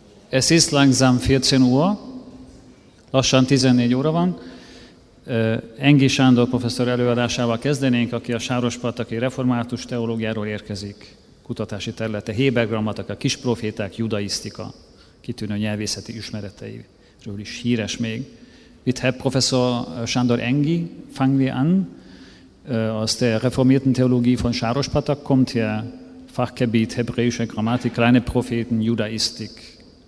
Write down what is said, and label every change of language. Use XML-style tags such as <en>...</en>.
<de>Es ist langsam 14 Uhr,</de> <hu>lassan 14 óra van. Engi Sándor professzor előadásával kezdenénk, aki a sárospataki református teológiáról érkezik, kutatási területe, héber grammatika, kispróféták, judaisztika, kitűnő nyelvészeti ismereteiről is híres még. Itt</hu> <de>Herr Professor Sándor Engi, fangen wir an, aus der reformierten Theologie von Sárospatak kommt hier, Fachgebiet hebräische Grammatik, kleine Propheten, Judaistik.</de>